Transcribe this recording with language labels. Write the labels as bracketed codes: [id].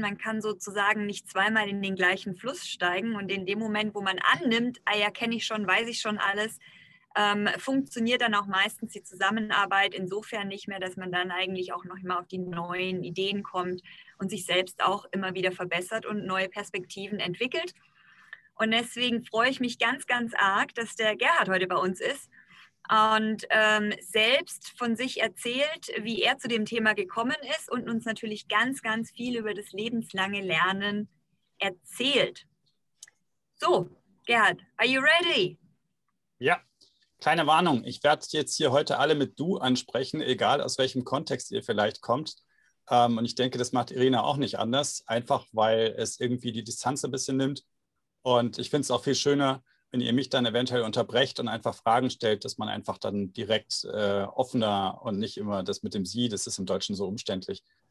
[de] Man kann sozusagen nicht zweimal in den gleichen Fluss steigen und in dem Moment, wo man annimmt, ah ja, kenne ich schon, weiß ich schon alles, funktioniert dann auch meistens die Zusammenarbeit insofern nicht mehr, dass man dann eigentlich auch noch immer auf die neuen Ideen kommt und sich selbst auch immer wieder verbessert und neue Perspektiven entwickelt. Und deswegen freue ich mich ganz, ganz arg, dass der Gerhard heute bei uns ist und selbst von sich erzählt, wie er zu dem Thema gekommen ist und uns natürlich ganz, ganz viel über das lebenslange Lernen erzählt. [en] So, Gerhard, are you ready? [de] Ja. Kleine Warnung, ich werde jetzt hier heute alle mit Du ansprechen, egal aus welchem Kontext ihr vielleicht kommt. Und ich denke, das macht Irina auch nicht anders, einfach weil es irgendwie die Distanz ein bisschen nimmt. Und ich finde es auch viel schöner, wenn ihr mich dann eventuell unterbrecht und einfach Fragen stellt, dass man einfach dann direkt offener und nicht immer das mit dem Sie, das ist im Deutschen so umständlich.